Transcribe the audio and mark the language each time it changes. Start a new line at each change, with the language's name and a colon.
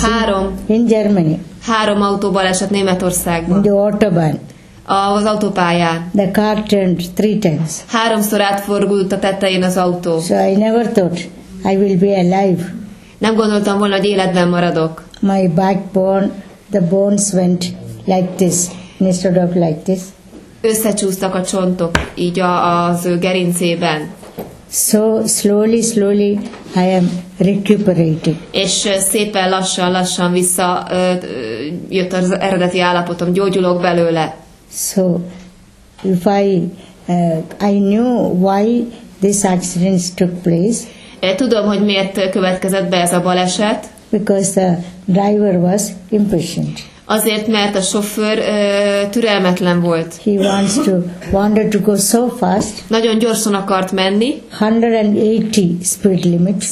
Hungarian: Három.
English: In Germany.
Hungarian: Három autóbaleset Németországban.
English: In the autobahn.
Hungarian: Az autópályán.
English: The car turned three times.
Hungarian: Háromszor átforgult a tetején az autó.
English: So I never thought I will be alive.
Hungarian: Nem gondoltam volna, hogy életben maradok.
English: My backbone, the bones went like this, instead of like this.
Hungarian: Összecsúsztak a csontok, így az ő gerincében.
English: So slowly, slowly, I am recuperating.
Hungarian: És szépen lassan vissza jött az eredeti állapotom, gyógyulok belőle.
English: So, if I knew why this accident took place.
Hungarian: Tudom, hogy miért következett be ez a baleset.
English: Because the driver was impatient.
Hungarian: Azért, mert a sofőr türelmetlen volt.
English: He wants to wanted to go so fast.
Hungarian: Nagyon gyorsan akart menni.
English: 180 speed limit.